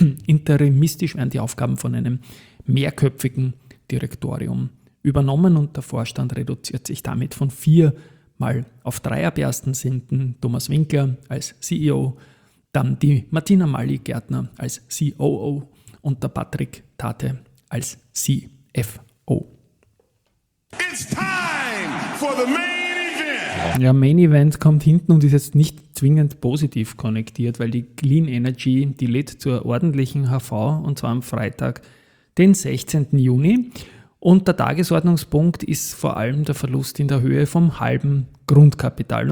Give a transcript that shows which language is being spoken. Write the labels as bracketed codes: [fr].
[de] Interimistisch werden die Aufgaben von einem mehrköpfigen Direktorium übernommen und der Vorstand reduziert sich damit von 4 auf 3. Ab 1.7. Thomas Winkler als CEO, dann die Martina Mali-Gärtner als COO und der Patrick Tate als CFO. [en] It's time for the Main Event! [de] Ja, Main Event kommt hinten und ist jetzt nicht zwingend positiv konnektiert, weil die Clean Energy, die lädt zur ordentlichen HV und zwar am Freitag, den 16. Juni. Und der Tagesordnungspunkt ist vor allem der Verlust in der Höhe vom halben Grundkapital.